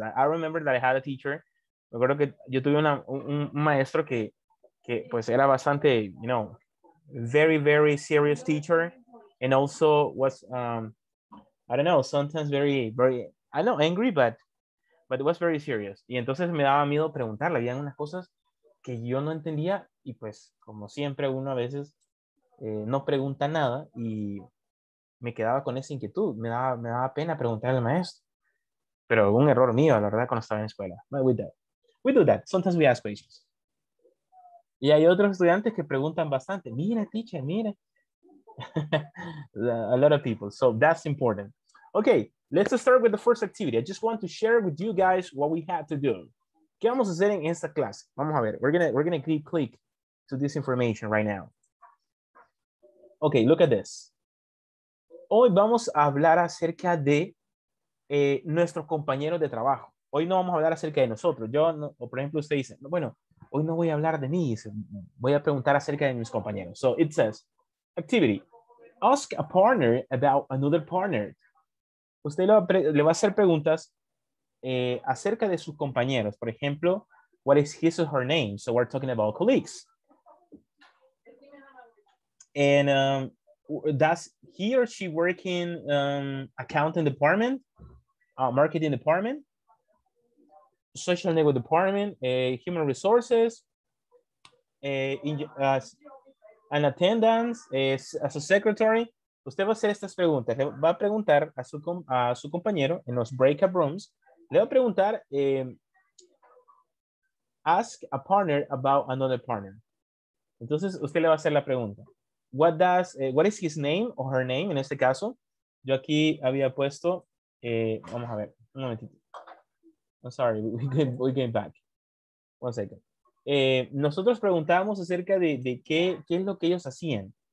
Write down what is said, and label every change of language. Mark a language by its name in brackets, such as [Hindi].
[English] I remember that I had a teacher. [Spanish] Me acuerdo que yo tuve un maestro que pues era bastante, [English] you know, very, very serious teacher. And also was... I don't know, sometimes very, very, I know, angry, but it was very serious. [Spanish] Y entonces me daba miedo preguntarle. Había unas cosas que yo no entendía y pues, como siempre, uno a veces no pregunta nada y me quedaba con esa inquietud. Me daba pena preguntarle al maestro. Pero un error mío, la verdad, cuando estaba en la escuela. [English] But with that, we do that. Sometimes we ask questions. [Spanish] Y hay otros estudiantes que preguntan bastante. [English] Mira, teacher, mira. A lot of people, so that's important. Okay, let's start with the first activity. I just want to share with you guys what we had to do. [Spanish] ¿Qué vamos a hacer en esta clase? Vamos a ver. [English] We're gonna click to this information right now. Okay, look at this. [Spanish] Hoy vamos a hablar acerca de nuestros compañeros de trabajo. Hoy no vamos a hablar acerca de nosotros. Yo, no, o por ejemplo, usted dice, bueno, hoy no voy a hablar de mí. Voy a preguntar acerca de mis compañeros. [English] So it says, activity. Ask a partner about another partner. [Spanish] Usted le va a hacer preguntas acerca de sus compañeros. Por ejemplo, [English] what is his or her name? So we're talking about colleagues. And does he or she work in accounting department, marketing department, social network department, human resources, an attendance, as a secretary? [Spanish] Usted va a hacer estas preguntas. Le va a preguntar a su, compañero en los breakout rooms. Le va a preguntar, [English] ask a partner about another partner. [Spanish] Entonces, usted le va a hacer la pregunta. [English] What does, what is his name or her name? [Spanish] En este caso, yo aquí había puesto, vamos a ver, un momentito. [English] I'm sorry, we came back. One second. [Spanish] Nosotros preguntábamos acerca de, qué es lo que ellos hacían.